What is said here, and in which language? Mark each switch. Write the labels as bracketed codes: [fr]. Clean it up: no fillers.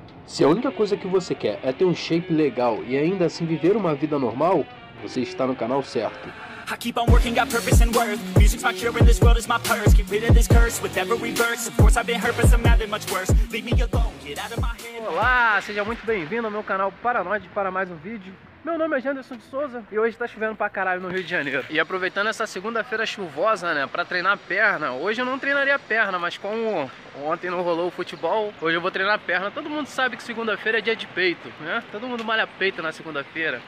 [pt] Se a única coisa que você quer é ter um shape legal e ainda assim viver uma vida normal, você está no canal certo. [en] I keep on working, got purpose and worth. Music's my cure and this world is my purse. Get rid of this curse, whatever reverse. Of course I've been hurt, but somehow they're much worse. Leave me alone, get out of my head. [pt] Olá, seja muito bem-vindo ao meu canal Paranoide para mais um vídeo. Meu nome é Janderson de Souza e hoje tá chovendo pra caralho no Rio de Janeiro. E aproveitando essa segunda-feira chuvosa, né, pra treinar perna. Hoje eu não treinaria perna, mas como ontem não rolou o futebol, hoje eu vou treinar perna. Todo mundo sabe que segunda-feira é dia de peito, né? Todo mundo malha peito na segunda-feira.